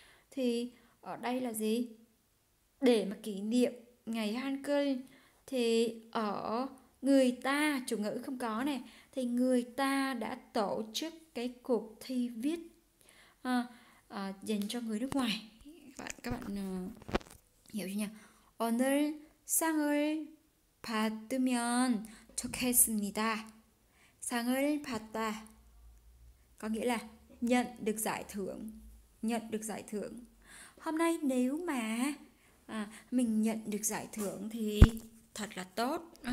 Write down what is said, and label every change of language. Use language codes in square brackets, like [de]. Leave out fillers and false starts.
[vi] Thì ở đây là gì? Để mà kỷ niệm ngày Hangul thì ở người ta, chủ ngữ không có này, thì người ta đã tổ chức cái cuộc thi viết dành cho người nước ngoài. Các bạn hiểu chưa nhỉ? [ko] 오늘 상을 받으면 좋겠습니다. 상을 받다 [vi] có nghĩa là nhận được giải thưởng, nhận được giải thưởng. Hôm nay nếu mà mình nhận được giải thưởng thì thật là tốt.